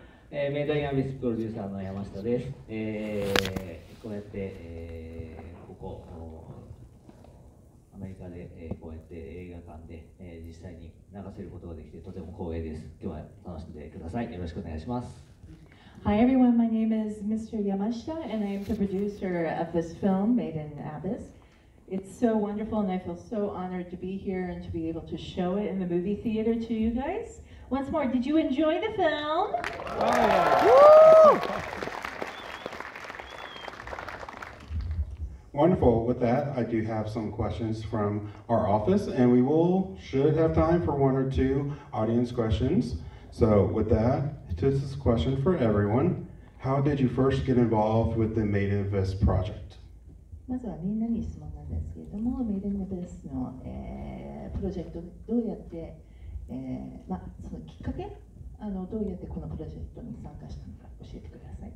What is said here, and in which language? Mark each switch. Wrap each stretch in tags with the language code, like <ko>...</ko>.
<ja>メイドインアビスプロデューサーの山下です。こうやって、ここアメリカで、こうやって映画館で、実際に流せることができてとても光栄です。今日は楽しんでください。よろしくお願いします。</ja> <en>Hi everyone, my name is Mr. Yamashita and I am the producer of this film, Made in Abyss. It's so wonderful and I feel so honored to be here and to be able to show it in the movie theater to you guys. Once more, did you enjoy the film? Oh, yeah. Woo! Wonderful. With that, I do have some questions from our office and we will should have time for one or two audience questions. So with that, this is a question for everyone. How did you first get involved with the Made in Abyss project?</en> <ja>まずはみんなに質問なんですけれども、Made in Abyssの、プロジェクトどうやって、まあ、そのきっかけ、どうやってこのプロジェクトに参加したのか教えてください。</ja>